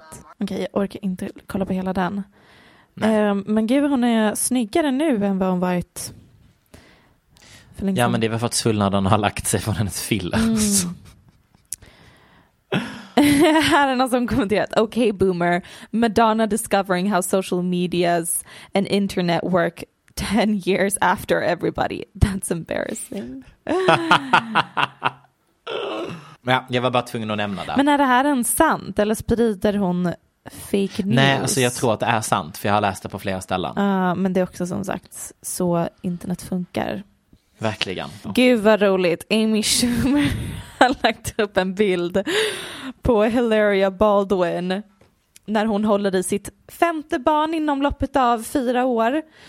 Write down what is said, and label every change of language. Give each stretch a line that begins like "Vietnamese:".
Swedish: Okej, okay, jag orkar inte kolla på hela den. Men gud, hon är snyggare nu än vad hon varit. Ja, men det är väl för att svullnaden har lagt sig från hennes filler. Här är någon som kommenterat.
English: Okay, boomer. Madonna discovering how social medias and internet work 10 years after everybody. That's embarrassing.
Swedish: Men ja, jag var bara tvungen att nämna det. Men är det här en sant eller sprider hon fake news? Nej, alltså jag tror att det är sant, för jag har läst det på flera ställen. Men det är också som sagt så internet funkar. Verkligen. Gud vad roligt. Amy Schumer har lagt upp en bild på Hilaria Baldwin när hon håller i sitt femte barn inom loppet av 4 år.